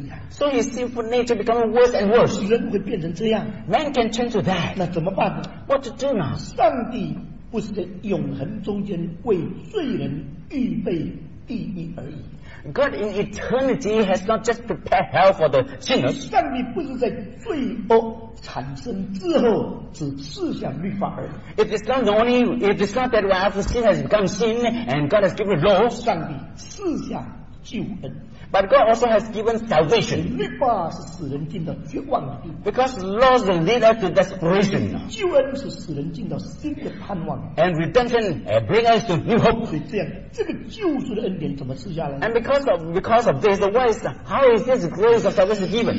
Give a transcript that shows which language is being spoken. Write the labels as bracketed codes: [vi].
[en] So his sinful nature becomes worse and worse. Man can change to that. [zh] 那怎么办呢? [en] What to do now? [zh] 上帝 不是在永恒中间为罪人预备地狱而已。 [en] God in eternity has not just prepared hell for the sinners. [zh] 上帝不是在罪恶产生之后只赐下律法而已。 [en] It is not only, it is not that when after sin has become sin and God has given law. [zh] 上帝赐下救恩。 [en] But God also has given salvation. [zh] 律法是使人进到绝望的地。 [en] Because laws lead us to desperation. [zh] 救恩是使人进到新的盼望。 [en] And redemption bring us to new hope. [zh] 所以这样, 这个救赎的恩典怎么赐下来呢? [en] And because of this, how is this grace of salvation given?